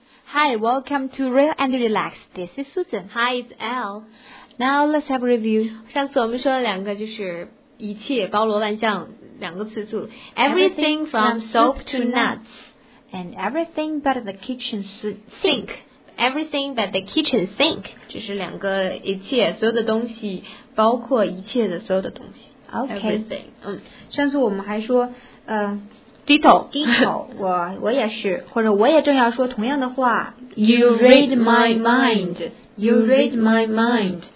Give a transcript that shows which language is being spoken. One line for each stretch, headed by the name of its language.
English: Hi, welcome to Real and Relax. This is Susan. Hi, it's Elle. Now let's have a review.
Chinese: 上次我们说了两个，就是一切包罗万象两个词组
English: everything from soap to nuts, and everything but the kitchen sink. Everything but the kitchen sink.
Chinese: 就是两个一切所有的东西，包括一切的所有的东西。
English: Okay. Everything.
Chinese: 上次我们还说，
English: Ditto,
Chinese: 我也是，或者我也正要说同样的话。
English: You read my mind.